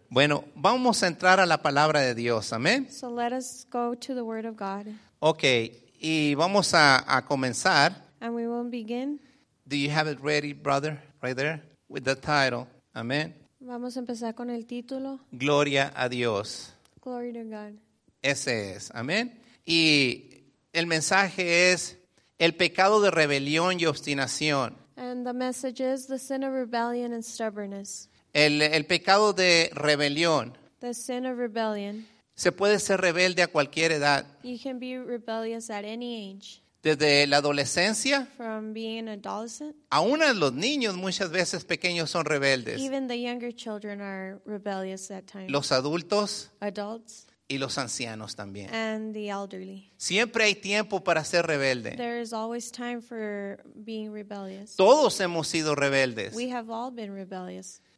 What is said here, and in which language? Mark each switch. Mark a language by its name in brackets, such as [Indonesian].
[Spanish] Bueno, vamos a entrar a la palabra de Dios. Amén. [English] So let us go to the word of God. [Spanish] Okay, y vamos a comenzar. [English] And we will begin. Do you have it ready, brother? Right there with the title. Amén. [Spanish] Vamos a empezar con el título. Gloria a Dios. [English] Glory to God. [Spanish] Ese es. Amén. Y el mensaje es el pecado de rebelión y obstinación. [English] And the message is the sin of rebellion and stubbornness. [Spanish] El pecado de rebelión. [English] The sin of rebellion. [Spanish] Se puede ser rebelde a cualquier edad. [English] You can be rebellious at any age. [Spanish] Desde la adolescencia. [English] From being an adolescent. [Spanish] Aún los niños muchas veces pequeños son rebeldes. [English] Even the younger children are rebellious at times. [Spanish] Los adultos. [English] Adults. [Spanish] Y los ancianos también. [English] And the elderly. [Spanish] Siempre hay tiempo para ser rebelde. [English] There is always time for being rebellious. [Spanish] Todos hemos sido rebeldes. [English] We have all been rebellious.